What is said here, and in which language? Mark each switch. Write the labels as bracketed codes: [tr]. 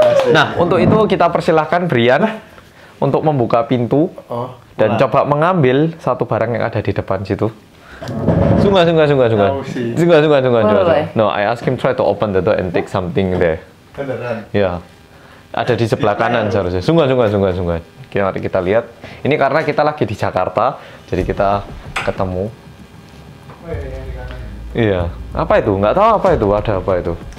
[id] Nah, untuk itu kita persilahkan Brian untuk membuka pintu dan coba mengambil satu barang yang ada di depan situ. [en] No, I ask him try to open the door and take something there. [id] Beneran? Ya. Yeah. Ada di sebelah kanan seharusnya. Sungguh. Oke, mari kita lihat. Ini karena kita lagi di Jakarta, jadi kita ketemu. Iya. Yeah. Apa itu? Nggak tahu apa itu. Ada apa itu?